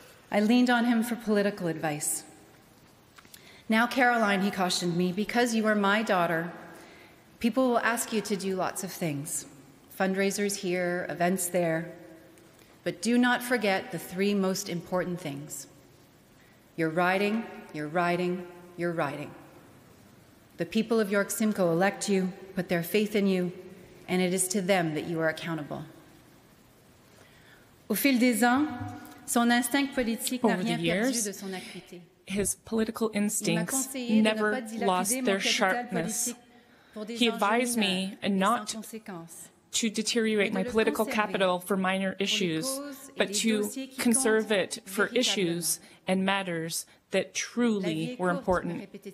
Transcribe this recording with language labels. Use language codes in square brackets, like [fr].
[en] I leaned on him for political advice. "Now, Caroline," he cautioned me, "because you are my daughter, people will ask you to do lots of things, fundraisers here, events there. But do not forget the three most important things. You're riding. The people of York Simcoe elect you, put their faith in you, and it is to them that you are accountable." [fr] Au fil des ans, son instinct politique n'a rien perdu de son acuité. [en] His political instincts never lost their sharpness. He advised me not to deteriorate my political capital for minor issues, but to conserve it for issues and matters that truly were important.